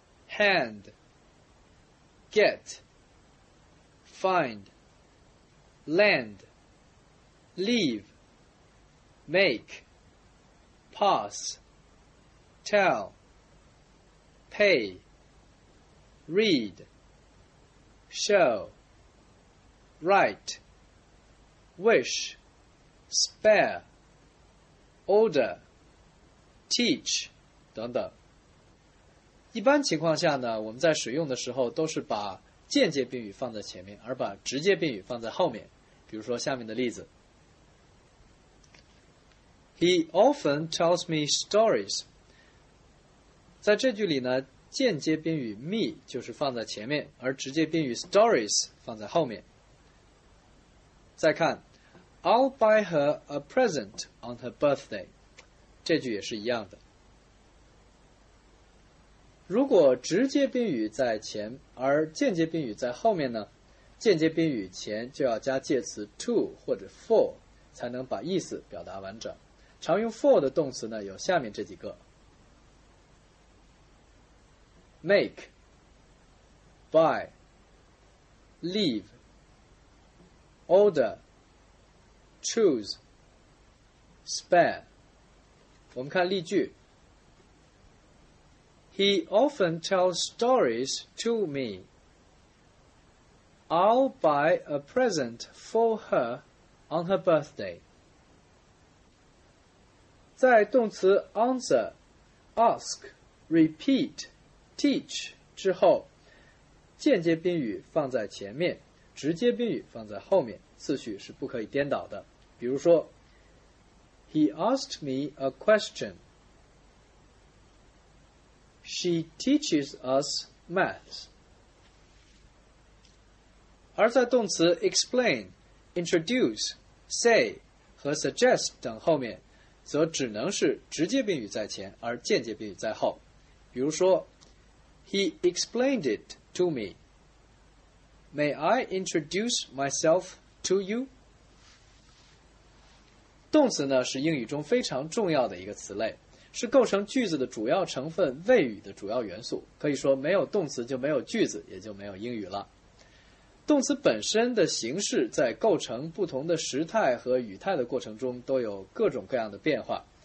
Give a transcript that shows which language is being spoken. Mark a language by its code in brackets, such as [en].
[en] hand, get, find, lend,Leave, make, pass, tell, pay, read, show, write, wish, spare, order, teach, [zh] 等等。一般情况下呢，我们在使用的时候都是把间接宾语放在前面，而把直接宾语放在后面。比如说下面的例子。 [en] He often tells me stories. [zh] 在这句里呢，间接宾语 me 就是放在前面，而直接宾语 stories 放在后面。再看 [en] I'll buy her a present on her birthday. [zh] 这句也是一样的。如果直接宾语在前而间接宾语在后面呢，间接宾语前就要加介词 to 或者 for 才能把意思表达完整。常用 for 的动词呢有下面这几个 [en] make, buy, leave, order, choose, spare. [zh] 我们看例句。 [en] He often tells stories to me. I'll buy a present for her on her birthday. [zh] 在动词 answer, ask, repeat, teach 之后，间接宾语放在前面，直接宾语放在后面，次序是不可以颠倒的。比如说 He [en] He asked me a question. She teaches us maths. [zh] 而在动词 explain, introduce, say 和 suggest 等后面则只能是直接宾语在前而间接宾语在后。比如说 [en] He explained it to me. May I introduce myself to you? [zh] 动词呢是英语中非常重要的一个词类，是构成句子的主要成分，谓语的主要元素。可以说没有动词就没有句子，也就没有英语了。动词本身的形式在构成不同的时态和语态的过程中都有各种各样的变化。